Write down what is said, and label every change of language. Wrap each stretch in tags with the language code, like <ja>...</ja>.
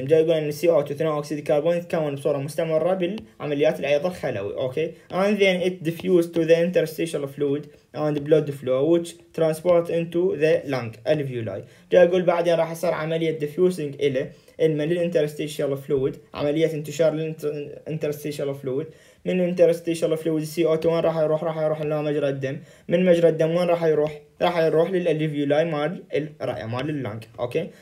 <ar>جاي يقول ان CO2 ثاني اكسيد الكربون يتكون بصوره مستمره بالعمليات الايض الخلوي اوكي okay.</ar> <en>And then it diffuses to the interstitial fluid and blood flow which transport into the lung alveoli.</en> <ar>جاي يقول بعدين راح يصير عمليه diffusing اله من الانترستيشال فلويد عمليه انتشار الانترستيشال فلويد من الانترستيشال فلويد CO2 وين راح يروح؟ راح يروح لمجرى الدم. من مجرى الدم وين راح يروح؟ راح يروح للالفيولاي مال الرئه مال اللانك اوكي.</ar>